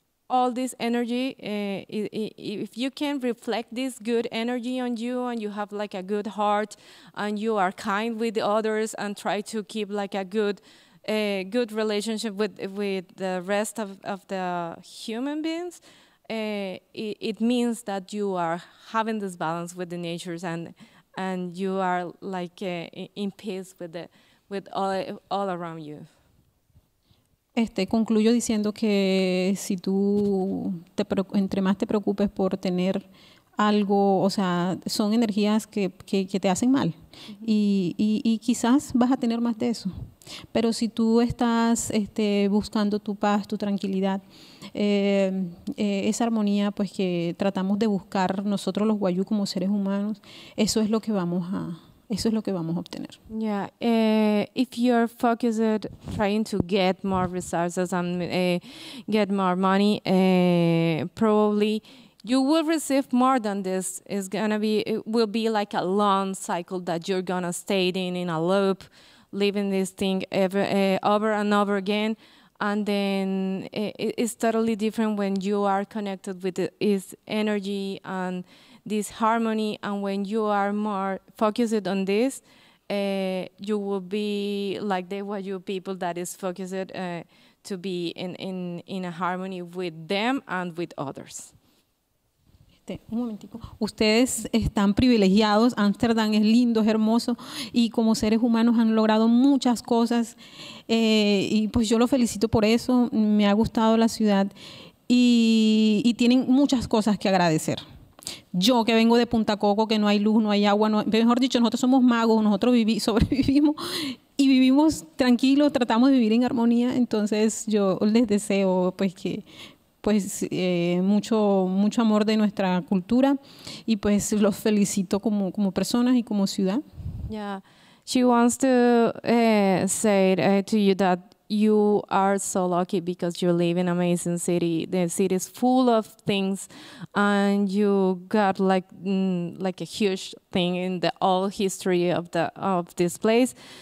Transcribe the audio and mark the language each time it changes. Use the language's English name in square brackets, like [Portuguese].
[English] all this energy, if you can reflect this good energy on you, and you have like a good heart, and you are kind with the others, and try to keep like a good relationship with the rest of the human beings, it means that you are having this balance with the natures, and you are like in peace with all around you. [Spanish] Concluyo diciendo que si tú entre más te preocupes por tener algo, o sea, son energías que te hacen mal, y quizás vas a tener más de eso. Pero si tú estás buscando tu paz, tu tranquilidad, esa armonía, pues, que tratamos de buscar nosotros los Wayuu como seres humanos, eso es lo que vamos a obtener. [English] Yeah, if you're focused trying to get more resources and get more money, probably you will receive more than this. It's gonna be, it will be like a long cycle that you're gonna stay in a loop, living this thing over and over again. And then it's totally different when you are connected with this energy and this harmony. And when you are more focused on this, you will be like the Wayuu people that is focused to be in a harmony with them and with others. [Spanish] Un momentico. Ustedes están privilegiados. Ámsterdam es lindo, es hermoso, y como seres humanos han logrado muchas cosas, y pues yo lo felicito por eso. Me ha gustado la ciudad, y tienen muchas cosas que agradecer. Yo, que vengo de Punta Coco, que no hay luz, no hay agua, no, mejor dicho, nosotros somos magos, nosotros sobrevivimos y vivimos tranquilos, tratamos de vivir en armonía. Entonces yo les deseo mucho amor de nuestra cultura, y pues los felicito como personas y como ciudad. [English] Yeah, she wants to say to you that you are so lucky because you live in an amazing city. The city is full of things, and you got like a huge thing in the old history of this place.